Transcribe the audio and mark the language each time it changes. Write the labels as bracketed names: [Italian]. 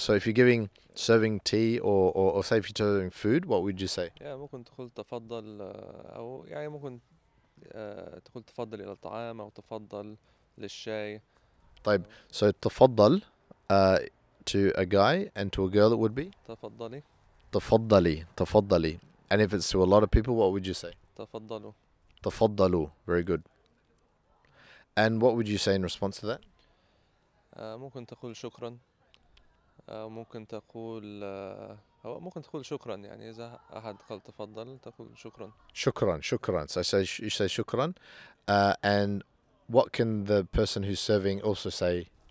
[English] So if you're giving serving tea or say if you're serving food, what would you say? [Arabic] Yeah, ممكن تقول تفضل أو يعني ممكن تقول تفضل إلى الطعام أو تفضل للشاي. طيب. [English] So تفضل to a guy and to a girl it would be? [Arabic] تفضلي. تفضلي. تفضلي. [English] And if it's to a lot of people, what would you say? [Arabic] تفضلوا. [English] تفضلوا. Very good. And what would you say in response to that? [Arabic] ممكن تقول شكرا. ممكن تقول ممكن تقول شكرا يعني إذا أحد قال تفضل تقول شكرا. [English] شكرا شكرا. So I say you say شكرا. And what can the person who's serving also say?